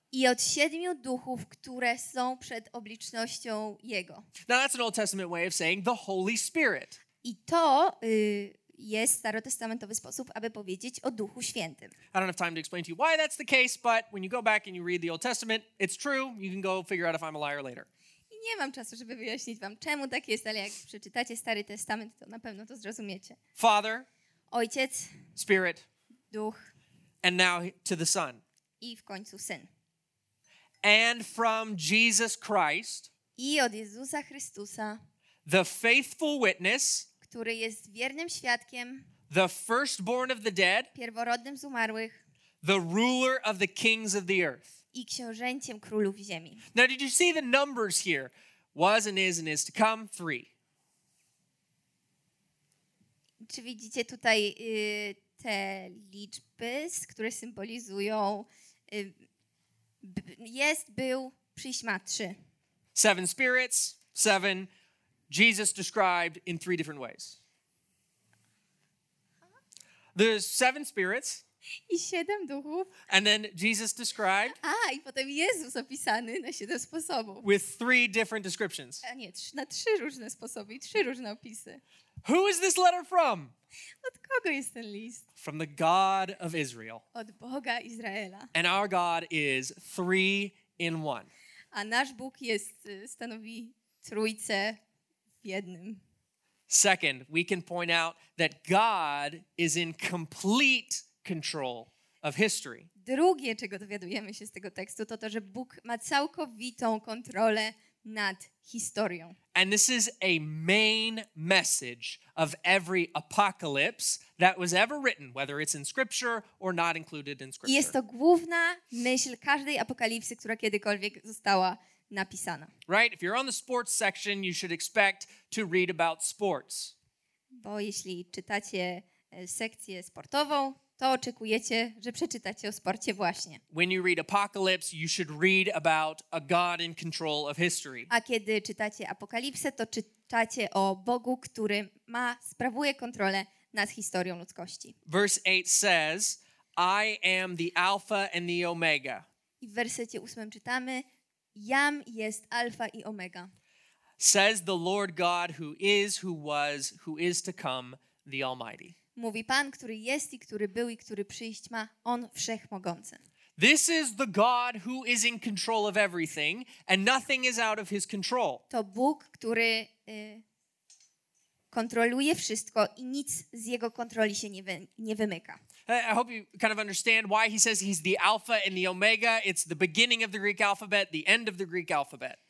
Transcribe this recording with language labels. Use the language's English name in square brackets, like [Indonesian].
[Polish] I od siedmiu duchów, które są przed oblicznością jego. [English] Now that's an Old Testament way of saying the Holy Spirit. [Polish] I to jest starotestamentowy sposób, aby powiedzieć o Duchu Świętym. [English] I don't have time to explain to you why that's the case, but when you go back and you read the Old Testament, it's true. You can go figure out if I'm a liar later. [Polish] Nie mam czasu, żeby wyjaśnić wam, czemu tak jest, ale jak przeczytacie Stary Testament, to na pewno to zrozumiecie. [English] Father. [Polish] Ojciec. [English] Spirit. [Polish] Duch. [English] And now to the Son. [Polish] I w końcu Syn. [English] And from Jesus Christ. [Polish] I od Jezusa Chrystusa. [English] The faithful witness. [Polish] Który jest wiernym świadkiem. [English] The firstborn of the dead. [Polish] Pierworodnym z umarłych. [English] The ruler of the kings of the earth. [Polish] i książęciem królów ziemi. [English] Now did you see the numbers here? Was and is to come, 3. [Polish] Czy widzicie tutaj te liczby, które symbolizują jest, był, przyśma, 3. [English] 7 spirits, 7 Jesus described in 3 different ways. There's 7 spirits. [Polish] I 7 duchów. [English] And then Jesus described. [Polish] A, i potem Jezus opisany na 7 sposobów. [English] With 3 different descriptions. [Polish] A nie, na 3 różne sposoby i 3 różne opisy. [English] Who is this letter from? [Polish] Od kogo jest ten list? [English] From the God of Israel. [Polish] Od Boga Izraela. [English] And our God is 3 in 1. [Polish] A nasz Bóg jest, stanowi trójcę w jednym. [English] Second, we can point out that God is in complete control of history. [Polish] Drugie, czego dowiadujemy się z tego tekstu, to to, że Bóg ma całkowitą kontrolę nad historią. [English] And this is a main message of every apocalypse that was ever written, whether it's in scripture or not included in scripture. [Polish] Jest to główna myśl każdej apokalipsy, która kiedykolwiek została napisana. [English] Right? If you're on the sports section, you should expect to read about sports. [Polish] Bo jeśli czytacie sekcję sportową, to oczekujecie, że przeczytacie o sporcie właśnie. [English] When you read apocalypse, you should read about a God in control of history. [Polish] A kiedy czytacie apokalipsę, to czytacie o Bogu, który ma, sprawuje kontrolę nad historią ludzkości. [English] Verse 8 says, I am the Alpha and the Omega. [Polish] I w wersecie 8 czytamy, Jam jest Alfa i Omega. [English] Says the Lord God who is, who was, who is to come, the Almighty. [Polish] Mówi Pan, który jest i który był i który przyjść ma, On Wszechmogący. [English] This is the God who is in control of everything and nothing is out of His control. [Polish] To Bóg, który kontroluje wszystko i nic z Jego kontroli się nie wymyka. [English] I hope you kind of understand why he says he's the Alpha and the Omega. It's the beginning of the Greek alphabet, the end of the Greek alphabet.